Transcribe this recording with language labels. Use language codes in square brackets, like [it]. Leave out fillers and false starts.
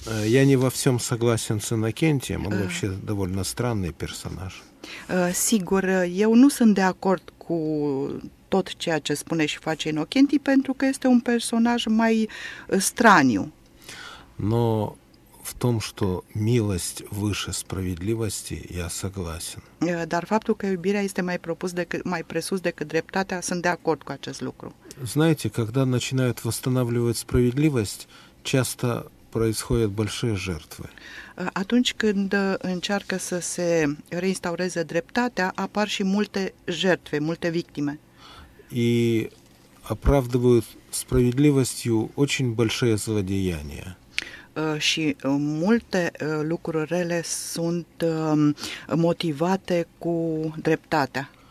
[ru] Я не во всем согласен с Иннокентием. Он вообще довольно странный персонаж. [ro] Sigur, eu nu sunt de acord cu tot ceea ce spune și face Inocenti, pentru că este un personaj mai straniu. [ru] Но в том, что милость выше справедливости, я согласен. [ro] Dar faptul că iubirea este mai presus decât dreptatea, sunt de acord cu acest lucru. [ru] Знаете, когда начинают восстанавливать справедливость, часто происходят большие жертвы. [ro] Atunci când încearcă să se reinstaureze dreptatea, apar și multe [ru] жертвы, [ro] multe victime. [ru] И оправдывают справедливостью очень большие злодеяния. [ro] Și multe lucruri rele sunt мотивате cu dreptatea.